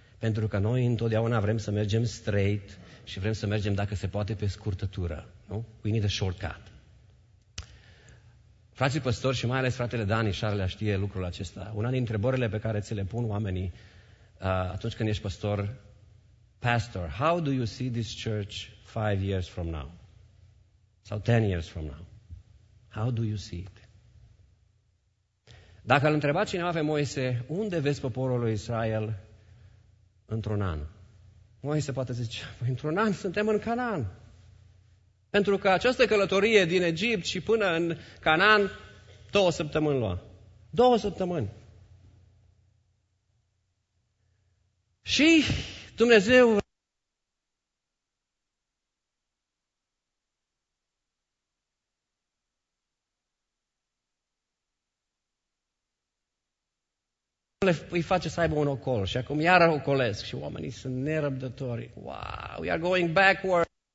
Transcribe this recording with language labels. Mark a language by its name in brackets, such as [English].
[Romanian] Pentru că noi întotdeauna vrem să mergem straight și vrem să mergem, dacă se poate, pe scurtătură. Nu? [English] We need a shortcut. [Romanian] Frații păstori și mai ales fratele Dani Șarlea știe lucrul acesta. Una din întrebările pe care ți le pun oamenii atunci când ești păstor [English] Pastor, how do you see this church 5 years from now? So 10 years from now? How do you see it? [Romanian] Dacă l-a întrebat cineva pe Moise, unde vezi poporul lui Israel într-un an? Moise poate zice, într-un an suntem în Canaan. Pentru că această călătorie din Egipt și până în Canaan, 2 săptămâni lua. 2 săptămâni. Și Dumnezeu... îi face să aibă un ocol și acum iară ocolesc și oamenii sunt nerăbdători. [English] Wow, we are going backward.